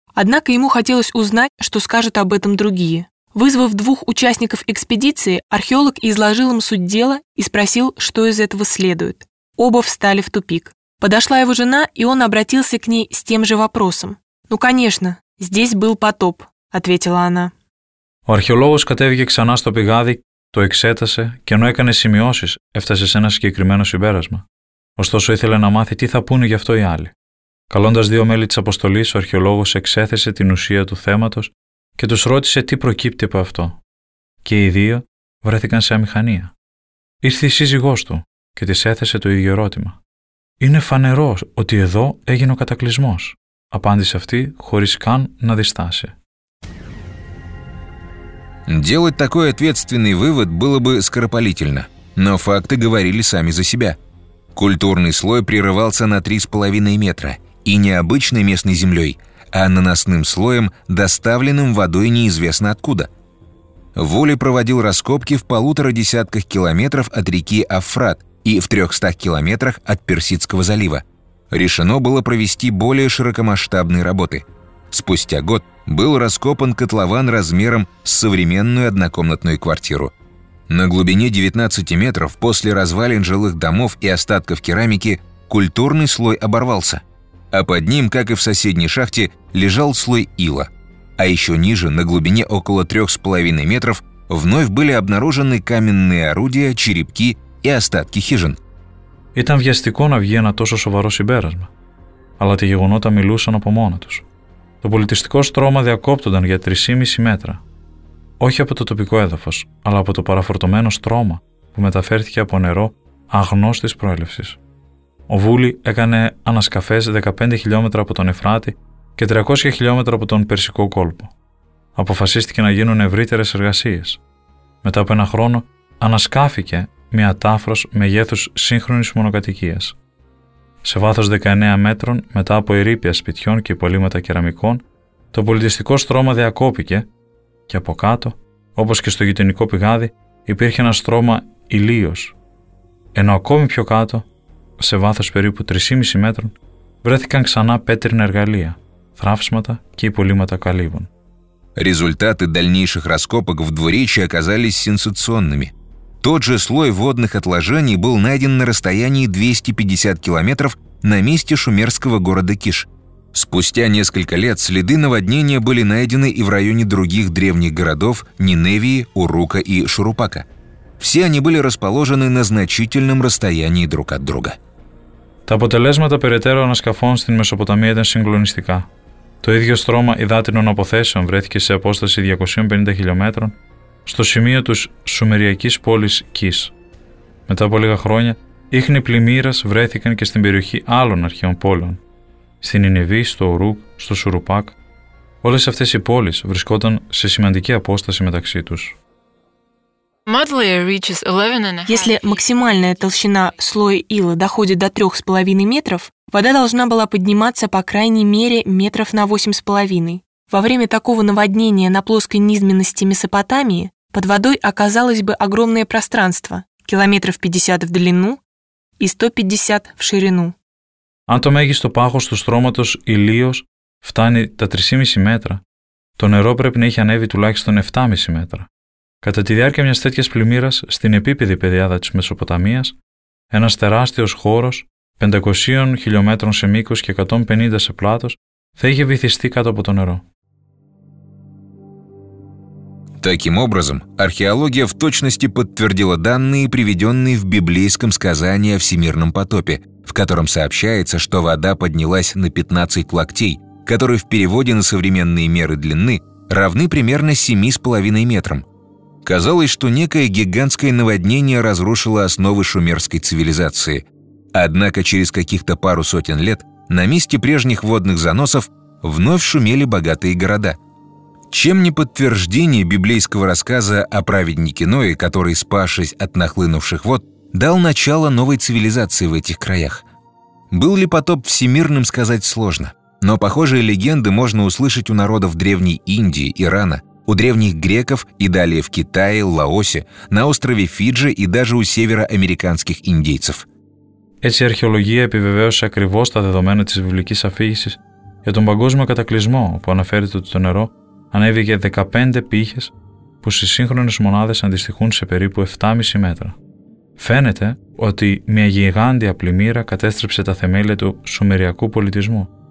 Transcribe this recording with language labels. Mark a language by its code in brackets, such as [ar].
[ru] Однако ему хотелось узнать, что скажут об этом другие. Вызвав двух участников экспедиции, археолог изложил им суть дела и спросил, что из этого следует. Оба встали в тупик. Подошла его жена, и он обратился к ней с тем же вопросом. «Ну, конечно, здесь был потоп», — ответила она. [el] Ο археологος κατέβηκε ξανά στο πηγάδι, το εξέτασε και ενώ έκανε σημειώσεις, έφτασε σε ένα συγκεκριμένο συμπέρασμα. Ωστόσο, ήθελε να μάθει τι θα πούνε γι' αυτό οι άλλοι. Καλώντας 2 μέλη της αποστολής, ο αρχαιολόγος εξέθεσε την ουσία του θέματος και τους ρώτησε τι προκύπτει από αυτό. Και οι 2 βρέθηκαν σε αμηχανία. Ήρθε η σύζυγός του και της έθεσε το ίδιο ερώτημα. «Είναι φανερό ότι εδώ έγινε ο κατακλυσμός», απάντησε αυτή χωρίς καν να διστάσει. [ru] Делать такой ответственный вывод было бы скоропалительно, но факты говорили сами за себя. Культурный слой прерывался на 3,5 метра, и не обычной местной землей, а наносным слоем, доставленным водой неизвестно откуда. Вули проводил раскопки в 1,5 километрах от реки Афрат и в 300 километрах от Персидского залива. Решено было провести более широкомасштабные работы. Спустя год был раскопан котлован размером с современную однокомнатную квартиру. На глубине 19 метров после развалин жилых домов и остатков керамики культурный слой оборвался. А под ним, как и в соседней шахте, лежал слой ила. А еще ниже, на глубине около 3,5 метров, вновь были обнаружены каменные орудия, черепки и остатки хижин. [el] Ήταν βιαστικό να βγει ένα τόσο σοβαρό συμπέρασμα. Αλλά τα γεγονότα μιλούσαν από μόνα τους. Το πολιτιστικό στρώμα διακόπτονταν για 3,5 μέτρα. Όχι από το τοπικό έδαφος, αλλά από το παραφορτωμένο στρώμα που μεταφέρθηκε από νερό αγνώστης προέλευσης. Ο Βούλι έκανε ανασκαφές 15 χιλιόμετρα από τον Εφράτη και 300 χιλιόμετρα από τον Περσικό κόλπο. Αποφασίστηκε να γίνουν ευρύτερες εργασίες. Μετά από ένα χρόνο, ανασκάφηκε μια τάφρος μεγέθους σύγχρονης μονοκατοικίας. Σε βάθος 19 μέτρων, μετά από ερείπια σπιτιών και υπολείμματα κεραμικών, το πολιτιστικό στρώμα διακόπηκε και από κάτω, όπως και στο γειτονικό πηγάδι, υπήρχε ένα στρώμα ηλίος. Ενώ ακόμη πιο κάτω, σε βάθος περίπου 3,5 μέτρων, βρέθηκαν ξανά πέτρινα εργαλεία, θραύσματα και υπολείμματα καλύβων. [ru] Результаты дальнейших раскопок в Двуречии оказались сенсационными. Тот же слой водных отложений был найден на расстоянии 250 километров на месте шумерского города Киш. Спустя несколько лет следы наводнения были найдены и в районе других древних городов Ниневии, Урука и Шурупака. Все они были расположены на значительном расстоянии друг от друга. [el] Τα αποτελέσματα περαιτέρω ανασκαφών στην Μεσοποταμία ήταν συγκλονιστικά. Το ίδιο στρώμα υδάτινων αποθέσεων βρέθηκε σε απόσταση 250 χιλιόμετρων στο σημείο της σουμεριακής πόλης Κις. Μετά από λίγα χρόνια, ίχνη πλημμύρας βρέθηκαν και στην περιοχή άλλων αρχαίων πόλεων. Στην Νινεβή, στο Ουρούκ, στο Σουρουπάκ, όλες αυτές οι πόλεις βρισκόταν σε σημαντική απόσταση μεταξύ τους. [ru] Если максимальная толщина слоя ила доходит до 3,5 метров, вода должна была подниматься по крайней мере метров на 8,5. Во время такого наводнения на плоской низменности Месопотамии под водой оказалось бы огромное пространство, километров 50 в длину и 150 в ширину. [el] Αν το μέγιστο πάχος του στρώματος ηλίος φτάνει τα 3,5 μέτρα, το νερό πρέπει να έχει ανέβει τουλάχιστον 7,5 μέτρα. Κατά τη διάρκεια μιας τέτοιας πλημμύρας, στην επίπεδη πεδιάδα της Μεσοποταμίας, ένας τεράστιος χώρος 500 χιλιόμετρων σε μήκος και 150 σε πλάτος θα είχε βυθιστεί κάτω από το νερό. [ru] Таким образом, археология в точности подтвердила данные, приведенные в библейском сказании о всемирном потопе, в котором сообщается, что вода поднялась на 15 локтей, которые в переводе на современные меры длины равны примерно 7,5 метрам. Казалось, что некое гигантское наводнение разрушило основы шумерской цивилизации. Однако через каких-то пару сотен лет на месте прежних водных заносов вновь шумели богатые города. Чем не подтверждение библейского рассказа о праведнике Ное, который, спасшись от нахлынувших вод, дал начало новой цивилизации в этих краях? Был ли потоп всемирным, сказать сложно. Но похожие легенды можно услышать у народов древней Индии, Ирана, у древних греков и далее в Китае, Лаосе, на острове Фиджи и даже у североамериканских индейцев. Эти археологии [el] επιβεβαίωσε ακριβώς τα δεδομένα της βιβλικής αφήγησης για τον παγκόσμιο κατακλυσμό, όπου αναφέρεται ότι το νερό ανέβηκε 15 πύχες που στις σύγχρονες μονάδες αντιστοιχούν σε περίπου 7,5 μέτρα. Φαίνεται ότι μια γιγάντια πλημμύρα κατέστρεψε τα θεμέλια του σουμεριακού πολιτισμού.